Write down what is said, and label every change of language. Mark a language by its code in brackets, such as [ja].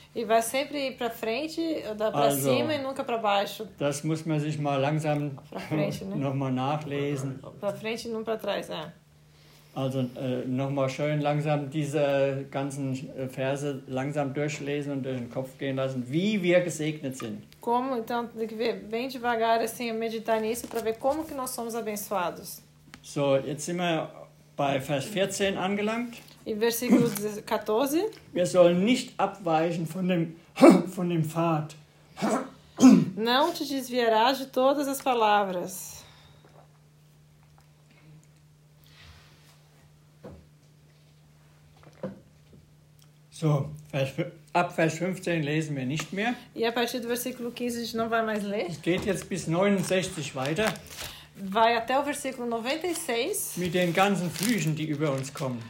[pt] E vai sempre ir para frente, dar para cima e nunca para baixo. [de] Das muss man sich mal langsam nochmal nachlesen. [pt] Para frente e não para trás, é. [de] Also nochmal schön langsam diese ganzen Verse langsam durchlesen und durch den Kopf gehen lassen, wie wir gesegnet sind. [pt] Como, então, tem que ver bem devagar, assim, meditar nisso para ver como que nós somos abençoados. [de] So, jetzt sind wir bei Vers 14 angelangt. Im Versículo 14. Wir sollen nicht abweichen von dem Pfad. [pt] Não te desviarás de todas as palavras. [de] So, ab Vers 15 lesen wir nicht mehr. [pt] E a partir do versículo 15 a gente não vai mais ler. [de] Es geht jetzt bis 69 weiter. [pt] Vai até o versículo 96. [de] Mit den ganzen Flüchen, die über uns kommen.